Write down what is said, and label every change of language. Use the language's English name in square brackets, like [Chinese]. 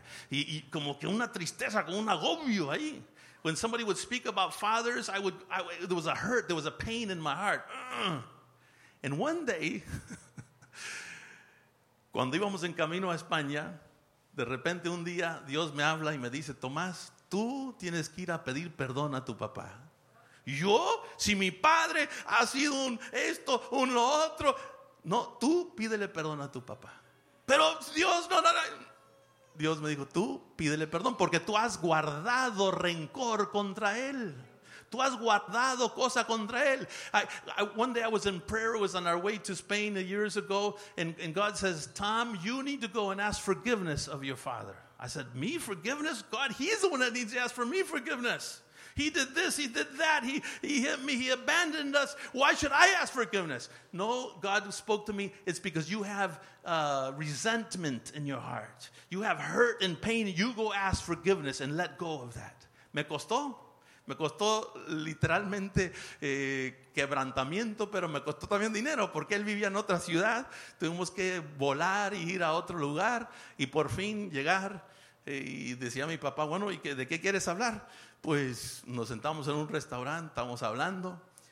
[Spanish] Y como que una tristeza, como un agobio ahí. [English] When somebody would speak about fathers, there was a hurt, there was a pain in my heart. And one day... [Spanish] Cuando íbamos en camino a España, de repente un día Dios me habla y me dice, Tomás, tú tienes que ir a pedir perdón a tu papá. ¿Yo? Si mi padre ha sido un esto, un lo otro. No, tú pídele perdón a tu papá. Pero Dios no. Dios me dijo, tú pídele perdón porque tú has guardado rencor contra él. Tú has guardado cosa contra él. [English] One day I was in prayer. It was on our way to Spain years ago. And God says, Tom, you need to go and ask forgiveness of your father. I said, me? Forgiveness? God, he's the one that needs to ask for me forgiveness. He did this. He did that. He hit me. He abandoned us. Why should I ask forgiveness? No, God spoke to me. It's because you have resentment in your heart. You have hurt and pain. You go ask forgiveness and let go of that. [Spanish] Me costó. Me costó literalmente quebrantamiento, pero me costó también dinero porque él vivía en otra ciudad. Tuvimos que volar y ir a otro lugar y por fin llegar. Y decía mi papá, bueno, ¿y de qué quieres hablar? Pues nos sentamos en un restaurante, estamos hablando.